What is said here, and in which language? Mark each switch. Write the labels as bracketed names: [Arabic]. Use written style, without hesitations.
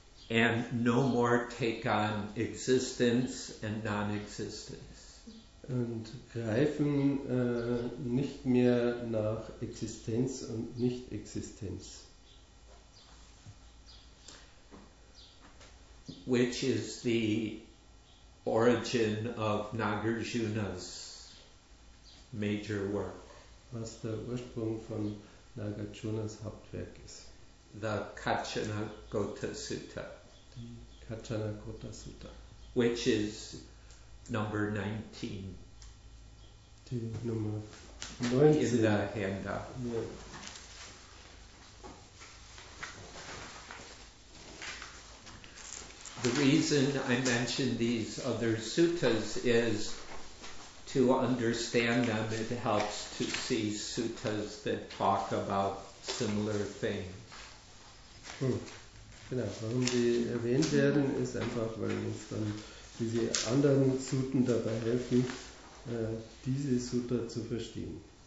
[English] And no more take on existence and non-existence. [German] Und greifen nicht mehr nach Existenz und Nicht-Existenz. [English] Which is the origin of Nagarjuna's major work. [German] Was der Ursprung von Nagarjunas Hauptwerk ist. [English] The Kacchanagota Sutta. [German] Die Kacchanagota Sutta. [English] Which is number 19. [German] Die Nummer 19. [English] In the handout. Yeah. The reason I mention these other suttas is to understand them. It helps to see suttas that talk about similar things. [German] Genau, warum die erwähnt werden, ist einfach, weil uns dann diese anderen Sutten dabei helfen, diese Sutta zu verstehen.